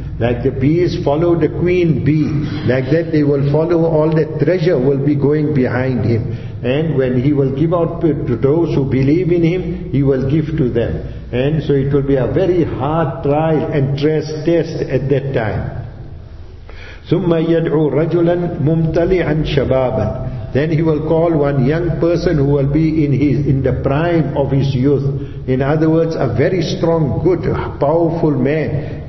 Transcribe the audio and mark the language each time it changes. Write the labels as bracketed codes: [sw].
[en] Like the bees follow the queen bee. Like that they will follow, all that treasure will be going behind him. And when he will give out to those who believe in him, he will give to them. And so it will be a very hard trial and test at that time. [ar] ثُمَّ يَدْعُوا رَجُلًا مُمْتَلِعًا شَبَابًا. [en] Then he will call one young person who will be in the prime of his youth. In other words, a very strong, good, powerful man.